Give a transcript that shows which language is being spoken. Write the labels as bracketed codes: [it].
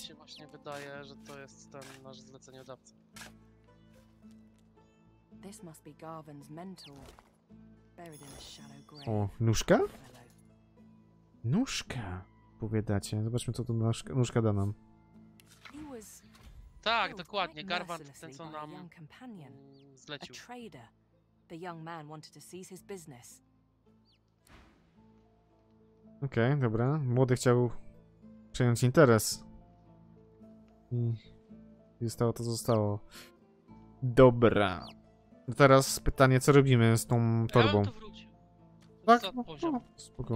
[pl] Mi się właśnie wydaje, że to jest ten nasz zleceniodawca. [en] This must be Garvin's mentor. Buried in a shallow grave. [pl] O, nóżka? Nóżka. Powiadacie. Zobaczmy, co tu nóżka da nam. Tak, dokładnie. Garwant, ten co nam zlecił. [en] Trader. The young man wanted to seize his business. [pl] Okej, okay, dobra. Młody chciał przejąć interes. I zostało to zostało. Dobra. No teraz pytanie, co robimy z tą torbą? Ja bym to wrócił. Tak? No, spoko.